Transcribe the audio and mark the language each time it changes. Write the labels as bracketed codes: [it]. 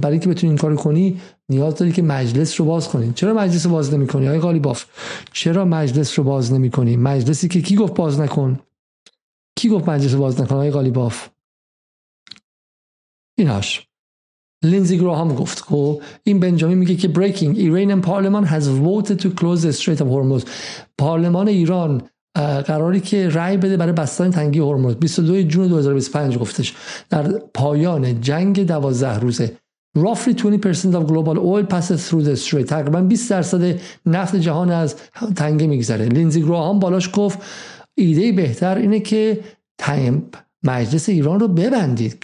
[fa] برای اینکه بتونی این کارو کنی نیاز داری که مجلس رو باز کنی. چرا مجلس رو باز نمی‌کنی آقای قالیباف؟ چرا مجلس رو باز نمی‌کنی؟ مجلسی که کی گفت باز نکن؟ کی گفت مجلس رو باز نکن آقای قالیباف؟ ایناش لینزی گراهام گفت. خب این بنجامین میگه که [en] breaking Iranian parliament has voted to close the strait of Hormuz. [fa] پارلمان ایران قراری که رأی بده برای بستن تنگی هرمز، 22 جون 2025 گفتش، در پایان جنگ 12 روزه. [en] Roughly 20% of global oil passes through the strait. [fa] تقریبا 20% نفت جهان از تنگه میگذره. لینزی گراهام بالاش گفت ایده بهتر اینه که تایم مجلس ایران رو ببندید.